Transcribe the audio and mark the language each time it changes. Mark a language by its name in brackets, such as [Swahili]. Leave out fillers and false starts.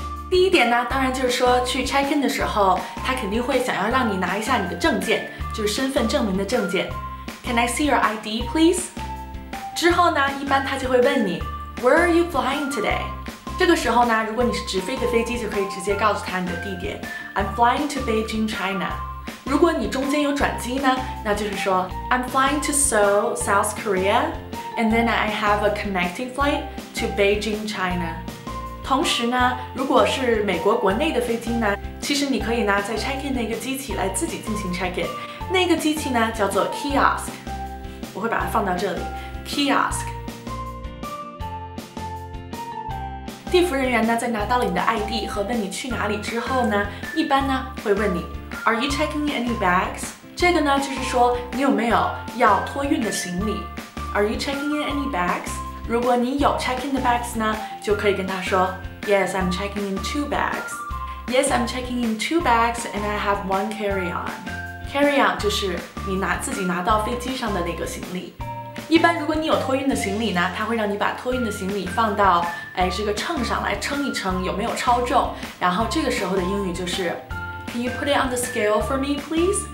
[Chinese] 第一点呢，当然就是说去 check in 的时候，他肯定会想要让你拿一下你的证件，就是身份证明的证件。 [English] Can I see your ID, please? [Chinese] 之后呢，一般他就会问你 [English] Where are you flying today? [Chinese] 这个时候呢，如果你是直飞的飞机，就可以直接告诉他你的地点。 [English] I'm flying to Beijing, China. [Chinese] 如果你中间有转机呢，那就是说 [English] I'm flying to Seoul, South Korea, and then I have a connecting flight to Beijing, China. [Chinese] 同时呢，如果是美国国内的飞机呢，其实你可以呢在 check in 那个机器来自己进行 check in。那个机器呢叫做 kiosk， 我会把它放到这里。 [English] kiosk。 [Chinese] 地服人员呢在拿到了你的 ID 和问你去哪里之后呢，一般呢会问你。 [English] Are you checking any bags? [Chinese] 这个呢就是说你有没有要托运的行李。 [English] Are you checking in any bags? [Chinese] 如果你有 check in 的 bags 呢，就可以跟他说 [English] Yes, I'm checking in two bags. Yes, I'm checking in two bags and I have one carry-on. [Chinese] Carry-on 就是你拿自己拿到飞机上的那个行李。一般如果你有托运的行李呢，他会让你把托运的行李放到这个秤上来称一称有没有超重，然后这个时候的英语就是 [English] Can you put it on the scale for me, please?